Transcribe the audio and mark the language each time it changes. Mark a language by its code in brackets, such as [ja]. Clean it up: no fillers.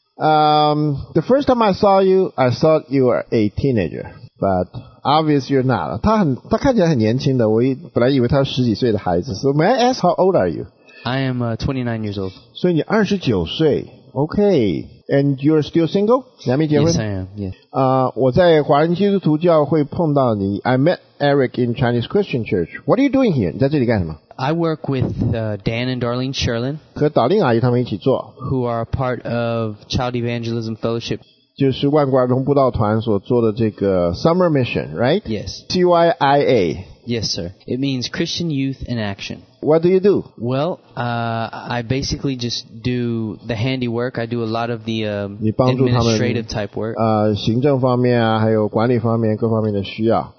[en] The first time I saw you, I thought you were a teenager. But obviously you're not. [zh] 他看起来很年轻的，我本来以为他是十几岁的孩子。 [en] So may I ask how old are you? I am 29 years old. [zh] 所以你29岁。 [en] Okay. And you're still single? [zh] 你还没结婚？ [en] Yes, I am. Yes. [zh] 我在华人基督徒教会碰到你。 [en] I met Eric in Chinese Christian Church. What are you doing here? [zh] 你在这里干什么？ [en] I work with Dan and Darlene Sherlin. [zh] 和导令阿姨他们一起做。 [en] Who are part of Child Evangelism Fellowship. [zh] 就是万国儿童布道团所做的这个 Summer Mission, right? [en] Yes. CYIA. Yes, sir. It means Christian Youth in Action. What do you do? Well, I basically just do the handiwork. I do a lot of the administrative type work. [zh] 行政方面啊，还有管理方面各方面的需要。